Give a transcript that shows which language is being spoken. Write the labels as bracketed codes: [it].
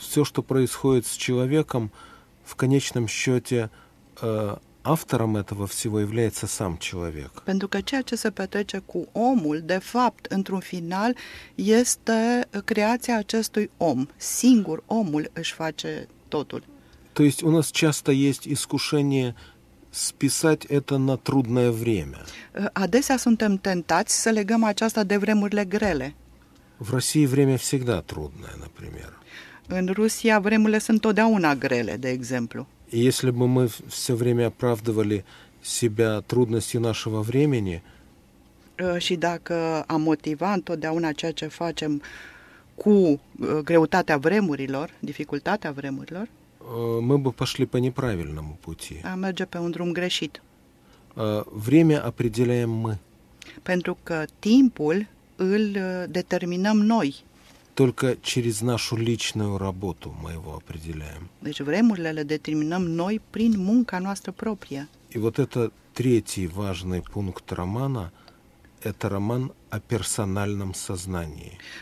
[ru] все, что происходит с человеком, в конечном счете автором этого всего является сам человек. [ro] Pentru că ceea ce se petrece cu omul, de fapt, într-un final, este creația acestui om. Singur omul își face totul. [ru] То есть у нас часто есть искушение списать это на трудное время. [ro] Adesea suntem tentați să legăm aceasta de vremurile grele. [ru] В России время всегда трудное, например. [ro] În Rusia vremurile sunt totdeauna grele, de exemplu. [ru] Если бы мы все время оправдывали себя трудностью нашего времени, [ro] și dacă am motivat întotdeauna ceea ce facem cu greutatea vremurilor, dificultatea vremurilor, [ru] мы бы пошли по неправильному пути. [ro] Am merge pe un drum greșit. [ru] Время определяем мы. [ro] Pentru că timpul îl determinăm noi. [ru] Только через нашу личную работу мы его определяем. [ro] Deci vremurile le determinăm noi prin munca noastră proprie. [ru] И вот это третий важный пункт романа, это роман о персональном сознании.